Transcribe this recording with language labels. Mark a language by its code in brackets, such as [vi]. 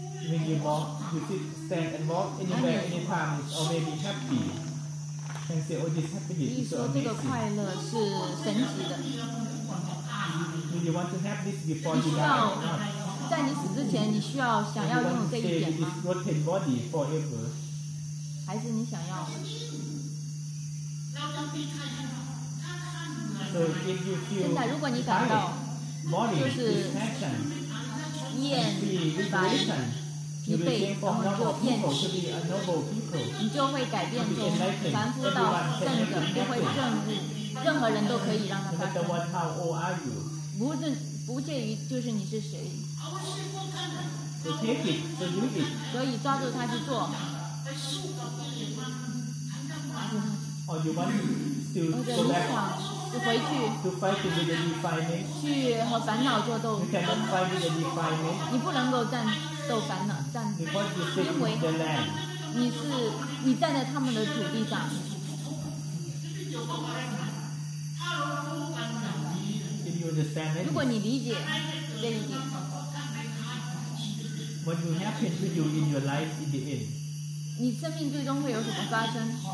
[en] When you walk, you sit, stand, and walk anywhere, anytime, it's already happy. Can say, "Oh, this happiness is so amazing." [zh] 这个快乐是神奇的。 [en] When you want to have this before you die, [zh] 在你死之前，你需要想要拥有这一点吗？ [en] You want to stay with this rotten body forever. [zh] 还是你想要？现在如果你感到就是厌烦疲惫，然后你就厌弃，你就会改变从凡夫到圣者，就会证悟任何人都可以让他发生，不介于就是你是谁，所以抓住他去做。 [en] Or you want to go back to fight with the defilement? [zh] 去和烦恼做斗。 [en] You cannot fight with the defilement. [zh] 你不能够战斗烦恼，战因为你站在他们的土地上。 [en] If you understand that, [zh] 如果你理解这一点 [en] ，What will happen to you in your life in the end? [zh] 你生命最终会有什么发生？